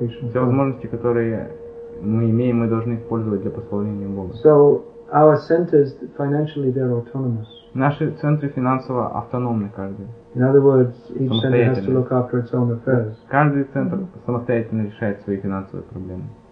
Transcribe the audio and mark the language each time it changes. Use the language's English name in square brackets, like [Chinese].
[Russian] Все возможности, которые мы имеем, мы должны использовать для прославления Бога. [English] So our centers financially they're autonomous. [Russian] Наши центры финансово автономны каждый. [English] In other words, each center has to look after its own affairs. [Russian] Каждый центр самостоятельно решает свои финансовые проблемы.